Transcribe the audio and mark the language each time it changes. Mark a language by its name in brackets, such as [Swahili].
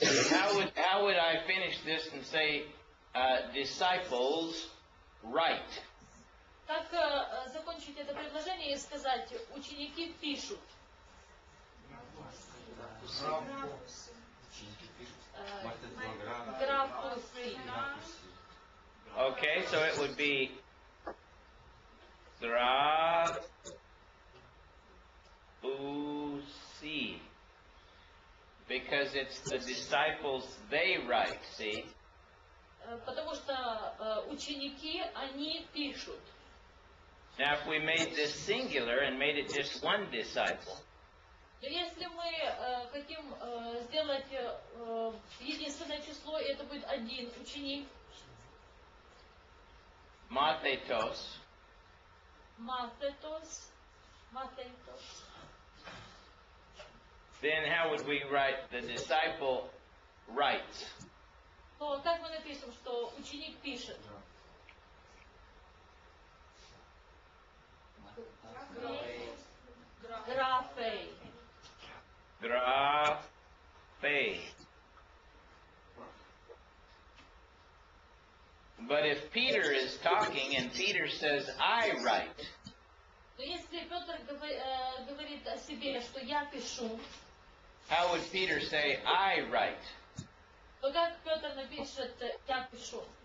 [English] How would I finish this and say disciples write? [Russian] Так закончить это предложение и сказать ученики пишут. [English] Okay, so it would be grafusi. Because it's the disciples they write, see? [Russian] Потому что ученики, они пишут. [English] Now, if we made this singular and made it just one disciple. [Russian] Если мы хотим сделать единственное число, и это будет один ученик. [English] Mathetos. [Russian] Mathetos. Mathetos. [English] Then how would we write the disciple writes? [Russian] То как мы напишем, что ученик пишет? Графей. [English] Grafei. But if Peter is talking and Peter says, I write. [Russian] Если Петр говорит о себе, что я пишу. [English] How would Peter say, I write? [Russian] То как Петр напишет, я пишу.